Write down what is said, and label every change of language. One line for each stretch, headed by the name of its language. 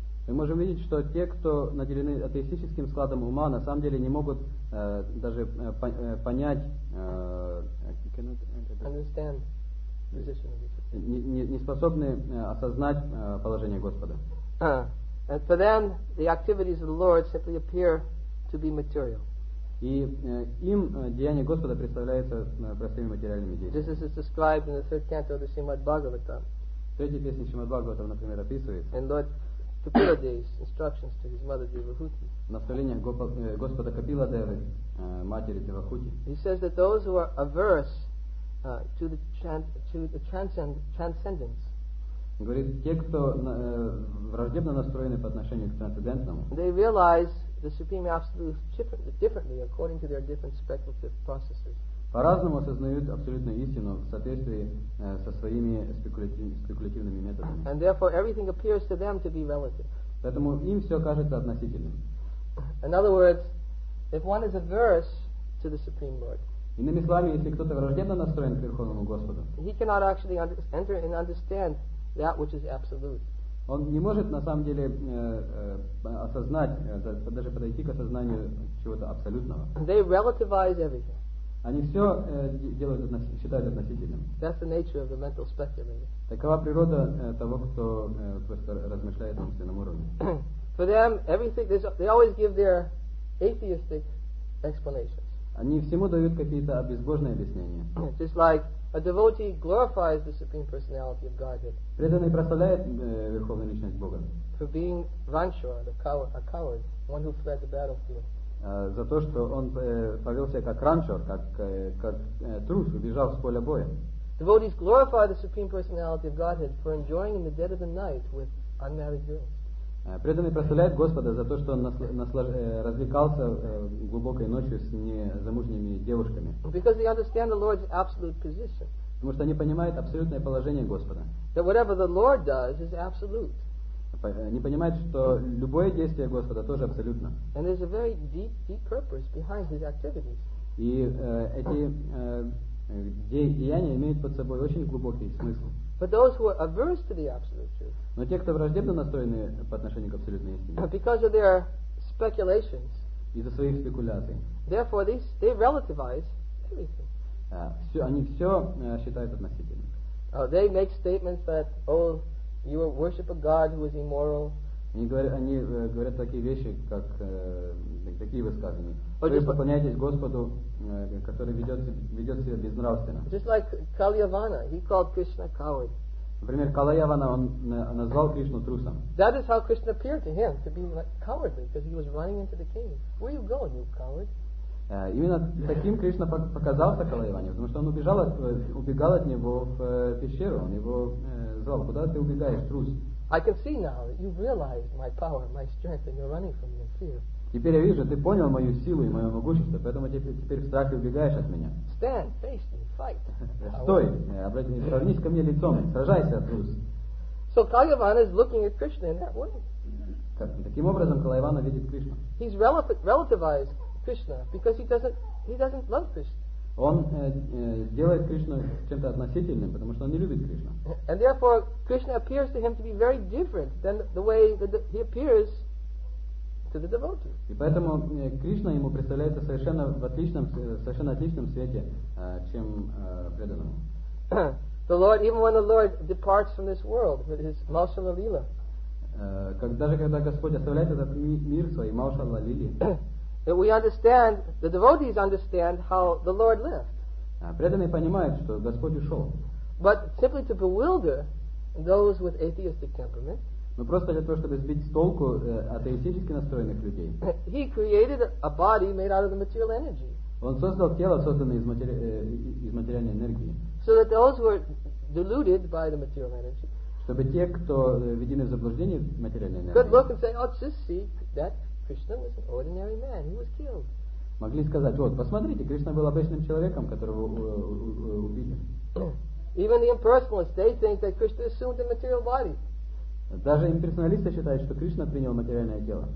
Russian: Мы можем видеть, что те, кто наделены атеистическим складом ума, на самом деле не могут даже понять,
English: understand position of the Lord.
Russian: Не способны осознать положение Господа.
English: And for them, the activities of the Lord simply appear to be material.
Russian: И им деяния Господа представляются простыми материальными действиями.
English: This is described in the third canto of the Srimad Bhagavatam.
Russian: Третья песня Шримад Бхагаватам, например, описывает.
English: And Lord Kapiladeva's instructions to his mother Devahuti.
Russian: Наставление Господа Капиладевы, матери Девахути.
English: He says that those who are averse to the transcendence.
Russian: Говорит, те, кто враждебно настроены по отношению к трансцендентному.
English: They realize the supreme absolute differently according to their different speculative processes.
Russian: По-разному осознают абсолютную истину в соответствии со своими спекулятивными методами.
English: And therefore everything appears to them to be relative.
Russian: Поэтому им все кажется относительным.
English: In other words, if one is averse to the supreme Lord,
Russian: иными словами, если кто-то враждебно настроен к Верховному Господу,
English: he cannot actually enter and understand that which is absolute.
Russian: Он не может на самом деле осознать, даже подойти к осознанию чего-то абсолютного.
English: They relativize everything.
Russian: Они все делают, считают относительным.
English: That's the nature of the mental speculator.
Russian: Такова природа того, кто просто размышляет на умственном уровне.
English: For them, everything, they always give their atheistic explanations.
Russian: Они всему дают какие-то безбожные объяснения.
English: Just like a devotee glorifies the Supreme Personality of Godhead.
Russian: Преданный прославляет Верховную Личность Бога.
English: For being Vanshura, a coward, one who fled the battlefield.
Russian: За то, что он повел себя как Ранчур, как трус, убежал с поля боя.
English: Devotees glorify the Supreme Personality of Godhead for enjoying in the dead of the night with unmarried girls.
Russian: Преданный прославляет Господа за то, что он развлекался глубокой ночью с незамужними девушками.
English: Because they understand the Lord's absolute position.
Russian: Потому что они понимают абсолютное положение Господа.
English: That whatever the Lord does is absolute.
Russian: Они понимают, что любое действие Господа тоже абсолютно.
English: And there's a very deep purpose behind his activities.
Russian: И эти деяния имеют под собой очень глубокий смысл.
English: But those who are averse to the absolute truth.
Russian: Но те, кто враждебно настроены по отношению к абсолютной истине.
English: Because of their speculations.
Russian: Из-за своих спекуляций.
English: Therefore, they relativize everything.
Russian: Они все считают относительным.
English: They make statements that, oh, you worship a god who is immoral.
Russian: Они говорят такие вещи, как такие высказывания. Вы поклоняетесь Господу, который ведет себя безнравственно.
English: Just like Kalyavana, he called Krishna coward.
Russian: Например, Калаявана, он назвал Кришну трусом.
English: That is how Krishna appeared to him, to be like cowardly, because he was running into the king. Where are you going, you coward?
Russian: Именно таким Кришна показался Калаяване, потому что он убегал от него в пещеру, он его звал, куда ты убегаешь, трус?
English: I can see now that you've realized my power, my strength, and you're running from me in fear.
Russian: Теперь я вижу, ты понял мою силу и мое могущество, поэтому теперь в страхе убегаешь от меня.
English: Stand, face me, fight.
Russian: Стой, обратись, повернись ко мне лицом, сражайся, трус.
English: So Kalyavana is looking at Krishna in that way.
Russian: Таким образом Kalyavana видит Кришну.
English: He's relativized Krishna because he doesn't love Krishna.
Russian: Он делает Кришну чем-то относительным, потому что он не любит Кришну.
English: And therefore, Krishna appears to him to be very different than the way that he appears to the devotee.
Russian: И поэтому Кришна ему представляется совершенно в отличном, совершенно отличном свете, чем преданному.
English: The Lord, even when the Lord departs from this world with his Maushala Lila,
Russian: даже когда Господь оставляет этот мир свой, Maushala Lili,
English: that we understand, the devotees understand how the Lord left.
Russian: Преданные понимают, что Господь ушел.
English: But simply to bewilder those with atheistic temperament,
Russian: но просто для того, чтобы сбить с толку атеистически настроенных людей,
English: he created a body made out of the material energy.
Russian: Он создал тело, созданное из, из материальной энергии.
English: So that those who are deluded by the material energy,
Russian: чтобы те, кто введены в заблуждение материальной энергии,
English: could look and say, oh, just see that Krishna was an ordinary man. He was killed.
Russian: Могли сказать, вот, посмотрите, Кришна был обычным человеком, которого убили.
English: Even the impersonalists, they think that Krishna assumed a material body.
Russian: Даже имперсоналисты считают, что Кришна принял материальное тело.